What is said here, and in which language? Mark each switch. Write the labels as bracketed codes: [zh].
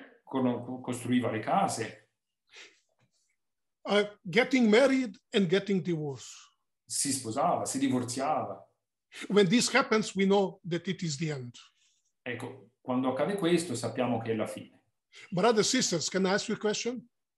[it] Costruiva le case. [en] Getting married and getting divorced. [it] Si sposava, si divorziava. [en] When this happens, we know that it is the end. [it] Ecco, quando accade questo, sappiamo che è la fine. [en] Brothers, sisters, can I ask you a question?